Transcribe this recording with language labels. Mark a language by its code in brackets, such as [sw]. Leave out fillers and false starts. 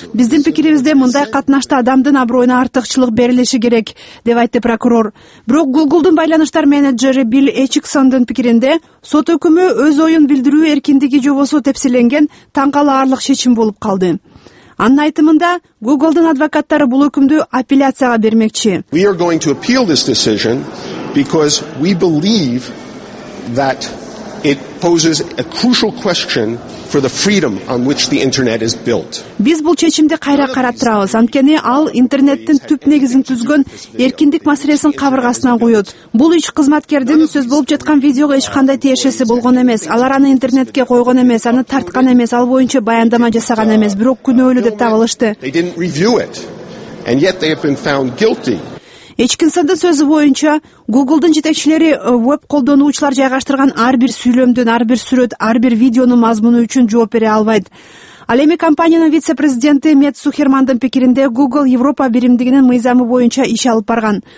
[ky] Биздин пикирибизде мындай катнашта адамдын аброюна артыкчылык берилиши керек, деп айтты прокурор. Бирок Google'дун байланыштар менеджери Билл Эчиксондун пикиринде сот өкүмү өз оюн билдирүү эркиндиги жобосу тепсиленген таң калаарлык чечим болуп калды. Анын айтымында Google'дын адвокаттары бул өкүмдү апелляцияга бермекчи. [en] We are going to appeal this decision because we believe that it poses a crucial question for the freedom on which the internet is built. [ky] Биз бул чечимди кайра карап турабыз, анткени ал интернеттин түп негизин түзгөн эркиндик маселесин кабыргасына коёт. Бул үч кызматкердин сөз болуп жаткан видеого эч кандай тиешеси болгон эмес. Алар аны интернетке койгон эмес, аны тарткан эмес, ал боюнча баяндама жасаган эмес, бирок күнөөлүү деп табылышты. [en] They didn't review it and yet they have been found guilty. [ky] Эчкинсандын сөзү боюнча, Google'дун жетекчилери веб колдонуучулар жайгаштырган ар бир сүйлөмдүн, ар бир сүрөт, ар бир видеонун мазмуну үчүн жооп бере албайт. Ал эми компаниянын вице-президенти Мэтт Сухермандын пикиринде Google Европа биримдигинин мыйзамы боюнча иш алып барган.